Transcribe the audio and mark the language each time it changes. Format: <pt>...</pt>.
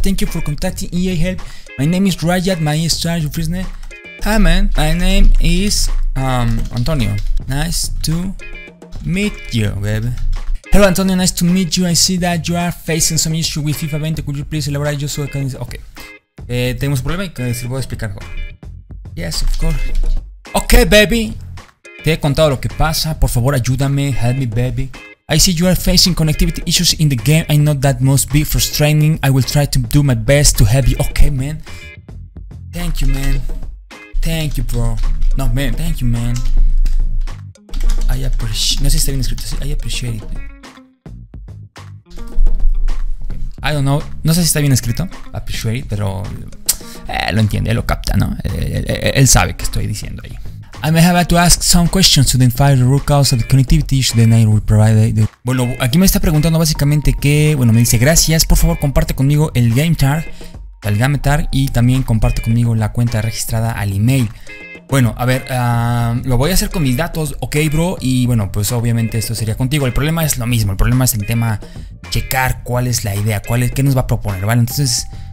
<en>Thank you for contacting EA Help. My name is Rajat, my star, your first name. Hi, man. My name is Antonio. Nice to meet you, baby. Hello, Antonio. Nice to meet you. I see that you are facing some issue with FIFA 20. Could you please elaborate your so I can... Ok.</en> <es>Tenemos un problema y se lo voy a explicar.</es> <en>Yes, of course. Ok, baby.</en> <es>Te he contado lo que pasa. Por favor, ayúdame.</es> <en>Help me, baby. I see you are facing connectivity issues in the game. I know that must be frustrating. I will try to do my best to help you. Okay, man. Thank you, man. Thank you, bro. No, man. Thank you, man. I appreciate...</en> <es>No sé si está bien escrito.</es> <en>I appreciate it. Okay. I don't know.</en> <es>No sé si está bien escrito.</es> <en>Appreciate it,</en> <es>pero... lo entiende, lo capta, ¿no? Él sabe qué estoy diciendo ahí.</es> <en>I may have to ask some questions to identify the root cause of the connectivity issue, then I will provide the...</en> <es>Bueno, aquí me está preguntando básicamente que... Bueno, me dice, gracias, por favor, comparte conmigo el game tag, el game tag, y también comparte conmigo la cuenta registrada al email. Bueno, a ver, lo voy a hacer con mis datos, ok, bro, y bueno, pues obviamente esto sería contigo. El problema es lo mismo, el problema es el tema checar cuál es la idea, cuál es, qué nos va a proponer, ¿vale? Entonces...</es>